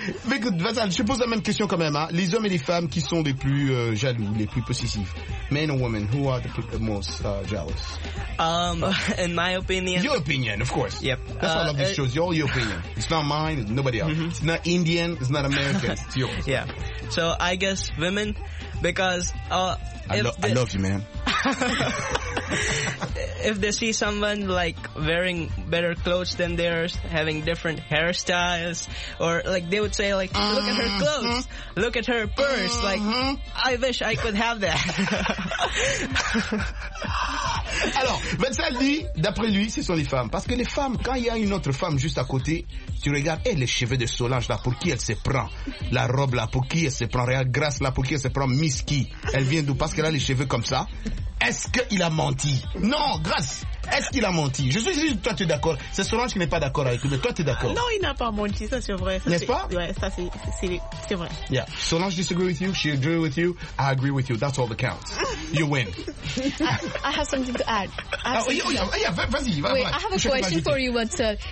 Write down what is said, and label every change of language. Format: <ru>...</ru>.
<fr>Écoute, Vatsal, je pose la même question quand même. Hein. Les hommes et les femmes qui sont les plus jaloux, les plus possessifs.</fr> <en>Men or women, who are the most jealous? In my opinion. Your opinion, of course. Yep. That's all of these shows. All your opinion. It's not mine, it's nobody else. Mm-hmm. It's not Indian, it's not American, it's yours. Yeah. So I guess women, because. I love you, man. If they see someone like wearing better clothes than theirs, having different hairstyles, or like they would say like, uh-huh. Look at her clothes, look at her purse, uh-huh. Like I wish I could have that.</en> <fr>Alors, Vatsal dit, d'après lui, ce sont les femmes. Parce que les femmes, quand il y a une autre femme juste à côté, tu regardes, les cheveux de Solange là, pour qui elle se prend? La robe là, pour qui elle se prend? Regarde, Grace là, pour qui elle se prend? Miss qui? Elle vient d'où? Parce qu'elle a les cheveux comme ça. Est-ce qu'il a menti? Non, Grace! Est-ce qu'il a menti? Je suis sûr que toi, tu es d'accord. C'est Solange qui n'est pas d'accord avec lui, mais toi, tu es d'accord. Non, il n'a pas menti, ça c'est vrai. Ça, n'est-ce c'est, pas? Ouais, ça c'est vrai.</fr> <en>Yeah. Solange disagree with you, she agree with you, I agree with you. That's all that counts. You win. I have something to add.</en> <fr>Vas-y.</fr> <en>Wait, I have a question for you, Vatsal.</en>